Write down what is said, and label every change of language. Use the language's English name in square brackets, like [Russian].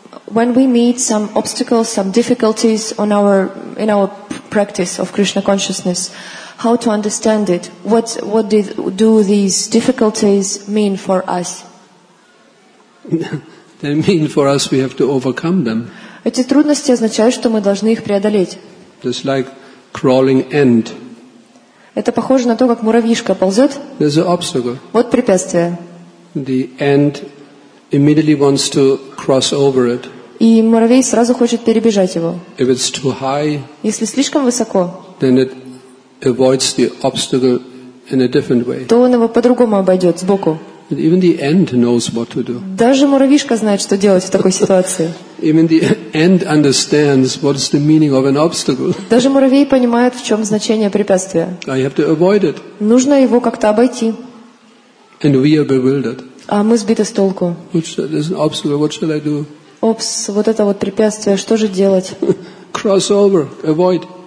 [English] When we meet some obstacles, some difficulties in our practice of Krishna consciousness, how to understand it? What do these difficulties mean for us? They mean for us we have to overcome them. [Russian] Эти трудности означают, что мы должны их преодолеть. [English] Just like crawling ant. [Russian] Это похоже на то, как муравьишка ползет. [English] There's an obstacle. [Russian] Вот препятствие. [English] The ant immediately wants to cross over it. [Russian] И муравей сразу хочет перебежать его. [English] If it's too high, [Russian] если слишком высоко, [English] then it avoids the obstacle in a different way. [Russian] То он его по-другому обойдет, сбоку. [English] Even the ant knows what to do. [Russian] Даже муравьишка знает, что делать в такой ситуации. [English] Even the ant understands what is the meaning of an obstacle. [Russian] Даже муравей понимает, в чем значение препятствия. [English] I have to avoid it. [Russian] Нужно его как-то обойти. [English] And we are bewildered. [Russian] А мы сбиты с толку. [English] There's an obstacle. What shall I do? [Russian] Опс, вот это вот препятствие, что же делать? [English] Cross over, avoid.